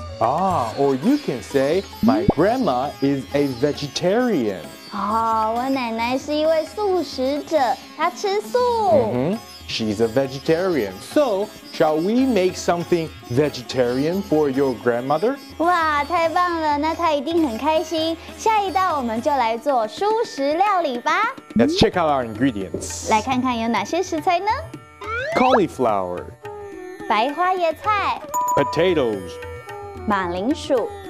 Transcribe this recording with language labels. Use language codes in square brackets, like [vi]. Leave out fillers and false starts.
[en] Ah, or you can say, my grandma is a vegetarian. [zh] Oh, 我奶奶是一位素食者，她吃素。 Mm-hmm. [en] She's a vegetarian. So, shall we make something vegetarian for your grandmother? [zh] 哇，太棒了，那她一定很开心。下一道我们就来做蔬食料理吧。 [en] Let's check out our ingredients. [zh] 来看看有哪些食材呢？ [en] Cauliflower. [zh] 白花椰菜。 [en] Potatoes. [zh] 马铃薯